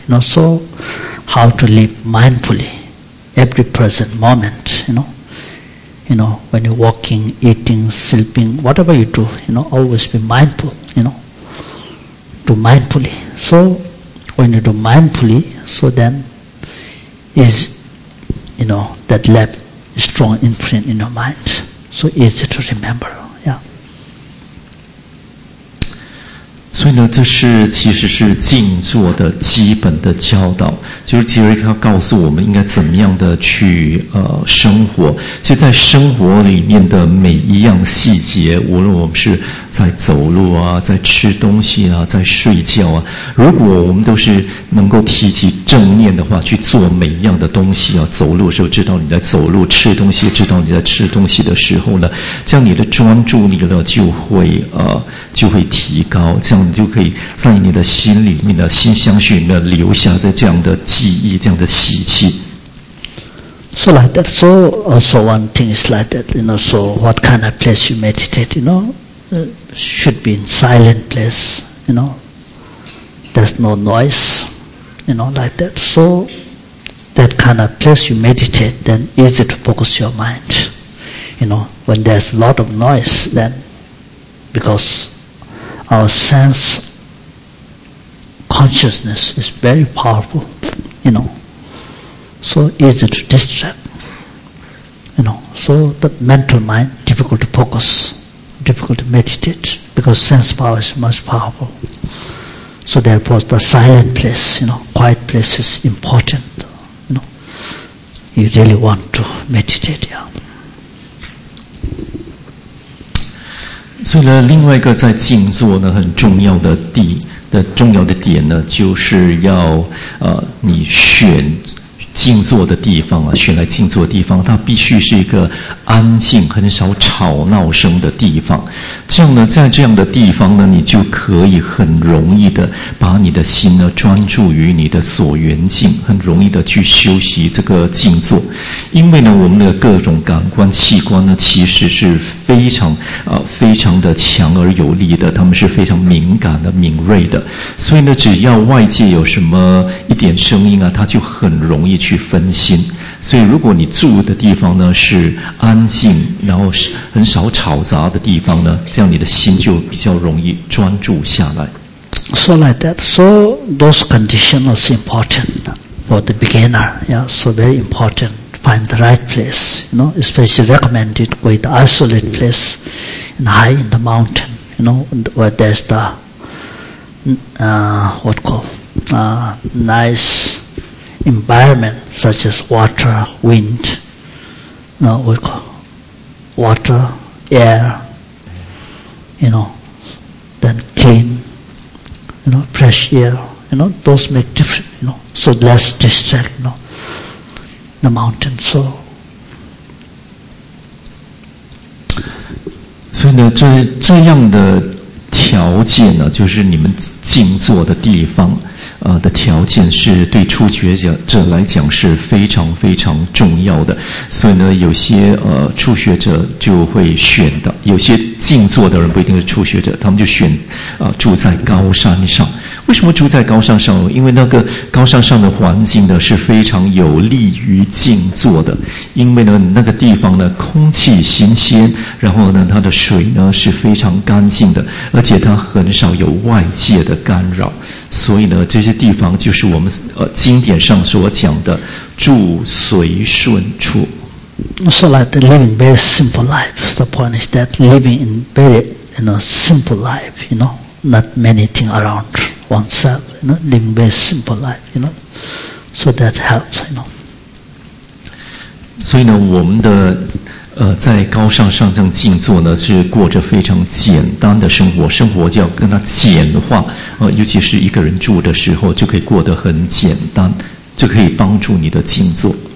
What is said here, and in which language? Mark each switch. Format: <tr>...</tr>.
<en>You know, so how to live mindfully. Every present moment, you know, when you're walking, eating, sleeping, whatever you do, you know, always be mindful, you know, do mindfully. So, when you do mindfully, so then is, you know, that left strong imprint in your mind. So easy to remember, yeah.</en> <zh>所以呢，这是其实是静坐的基本的教导，就是其实他告诉我们应该怎么样的去生活。其实在生活里面的每一样细节，无论我们是在走路啊，在吃东西啊，在睡觉啊，如果我们都是能够提起正念的话，去做每一样的东西啊，走路的时候知道你在走路，吃东西知道你在吃东西的时候呢，这样你的专注力呢就会提高。这样你就可以在你的心里面的心相续的留下这样的记忆，这样的习气。</zh> <en>So like that. So also one thing is like that. You know, so what kind of place you meditate? You know, should be in silent place. You know, there's no noise. You know, like that. So that kind of place you meditate, then easy to focus your mind. You know, when there's a lot of noise, then because. Our sense consciousness is very powerful, you know. So easy to distract, you know. So the mental mind difficult to focus, difficult to meditate because sense power is much powerful. So therefore, the silent place, you know, quiet place is important. You know, you really want to meditate, yeah.</en> <zh>所以呢，另外一个在静坐呢很重要的重要的点呢，就是要你选静坐的地方啊，选来静坐的地方，它必须是一个安静、很少吵闹声的地方。这样呢，在这样的地方呢，你就可以很容易的把你的心呢专注于你的所缘境，很容易的去修习这个静坐。因为呢，我们的各种感官器官呢，其实是非常的强而有力的，他们是非常敏感的、敏锐的。所以呢，只要外界有什么一点声音啊，它就很容易去分心。所以如果你住的地方呢是安静，然后很少吵杂的地方呢，这样你的心就比较容易专注下来。</zh> <en>So like that, so those conditions are important for the beginner, yeah, so very important to find the right place, you know, especially recommended with isolated place and high in the mountain, you know, where there's the nice environment such as water, wind, you know, what we call water, air, you know, then clean, you know, fresh air, you know, those make difference, you know, so less distract, you know, the mountain, so...</en> <zh>所以呢，这样的条件呢，就是你们静坐的地方，的条件是对初学者来讲是非常非常重要的。所以呢，有些初学者就会选的，有些静坐的人不一定是初学者，他们就选住在高山上。为什么住在高山上？因为那个高山上的环境呢是非常有利于静坐的。因为呢，那个地方呢空气新鲜，然后呢它的水呢是非常干净的，而且它很少有外界的干扰。所以呢，这些地方就是我们经典上所讲的住随顺处。</zh> <en>So like the living very simple life. So the point is that living in very, you know, simple life, you know, not many things around oneself, you know, living very simple life, you know, so that helps, you know.</en> <zh>所以呢，我们的在高山上这样静坐呢，是过着非常简单的生活，生活就要跟它简化，尤其是一个人住的时候，就可以过得很简单，就可以帮助你的静坐。</zh>